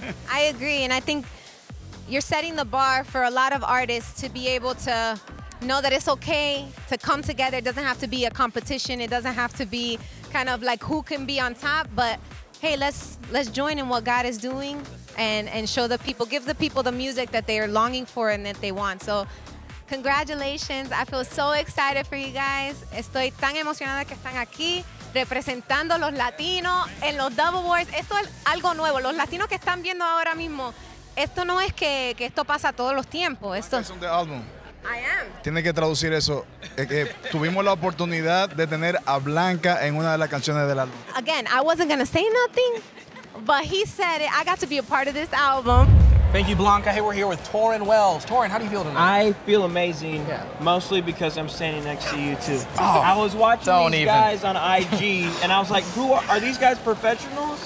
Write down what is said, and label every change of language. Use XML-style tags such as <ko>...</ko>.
<en>I agree, and I think you're setting the bar for a lot of artists to be able to know that it's okay to come together. It doesn't have to be a competition. It doesn't have to be kind of like who can be on top, but hey, let's join in what God is doing and show the people, give the people the music that they are longing for and that they want. So congratulations. I feel so excited for you guys.</en> <es>Estoy tan emocionada que están aquí representando los latinos en los Double Awards. Esto es algo nuevo. Los latinos que están viendo ahora mismo, esto no es que esto pasa todos los tiempos. Esto es un álbum.</es> <en>I am.</en> <es>Tiene que traducir eso. Es que tuvimos la oportunidad de tener a Blanca en una de las canciones del álbum.</es> <en>Again, I wasn't going to say nothing, but he said it. I got to be a part of this album. Thank you, Blanca. Hey, we're here with Torin Wells. Torin, how do you feel tonight? I feel amazing, mostly because I'm standing next to you, too. Oh, I was watching these guys on IG, and I was like, "Who are these guys professionals?"</en>